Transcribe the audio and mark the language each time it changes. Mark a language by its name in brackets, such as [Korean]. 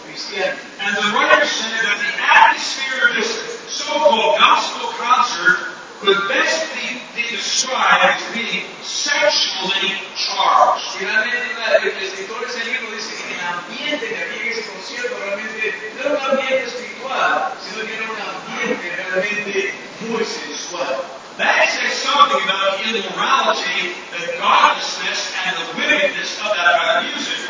[English] And the writer said that the atmosphere of this so-called gospel concert could best be described as being sexually charged. [Spanish] Finalmente, el escritor de ese libro dice que el ambiente de aquí en ese concierto realmente no era un ambiente espiritual, sino que era un ambiente realmente muy sensual. [English] That says something about the immorality, the godlessness, and the wickedness of that music.